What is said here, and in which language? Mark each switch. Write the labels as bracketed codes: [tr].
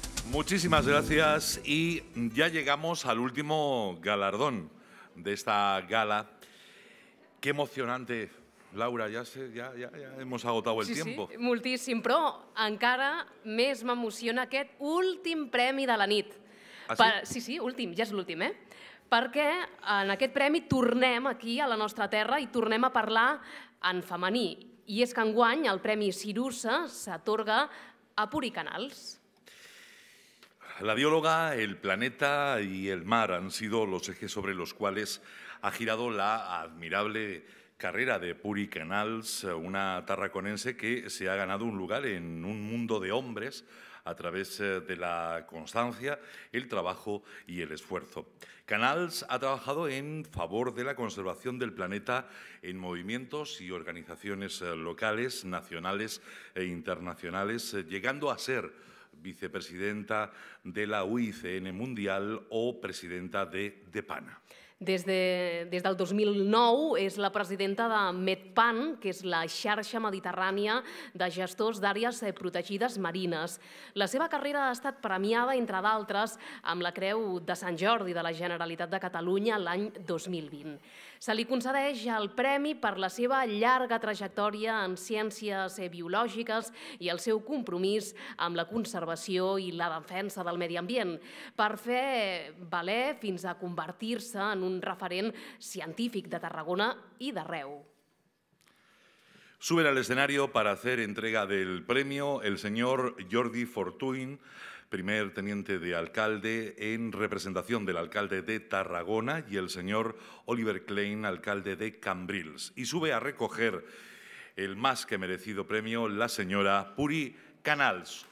[es] Muchísimas gracias y ya llegamos al último galardón de esta gala. Qué emocionante, Laura, ya hemos agotado el tiempo. [ca] Sí, moltíssim, però encara més m'emociona aquest últim premi de la nit. Últim, ja és l'últim, eh? Perquè en aquest premi tornem aquí a la nostra terra i tornem a parlar en femení. I és que enguany el premi Cirusa s'atorga a Puricanals. [es] La bióloga, el planeta y el mar han sido los ejes sobre los cuales ha girado la admirable carrera de Puricanals, una tarraconense que se ha ganado un lugar en un mundo de hombres a través de la constancia, el trabajo y el esfuerzo. Canals ha trabajado en favor de la conservación del planeta en movimientos y organizaciones locales, nacionales e internacionales, llegando a ser vicepresidenta de la UICN Mundial o presidenta de DEPANA. [ca] Des del 2009 és la presidenta de MedPAN, que és la xarxa mediterrània de gestors d'àrees protegides marines. La seva carrera ha estat premiada, entre d'altres, amb la Creu de Sant Jordi de la Generalitat de Catalunya l'any 2020. Se li concedeix el premi per la seva llarga trajectòria en ciències biològiques i el seu compromís amb la conservació i la defensa del medi ambient, per fer valer fins a convertir-se en un referent científic de Tarragona i d'arreu. [es] Sube al escenario para hacer entrega del premio el señor Jordi Fortuny, primer teniente de alcalde en representación del alcalde de Tarragona, y el señor Oliver Klein, alcalde de Cambrils. Y sube a recoger el más que merecido premio la señora Puri Canals.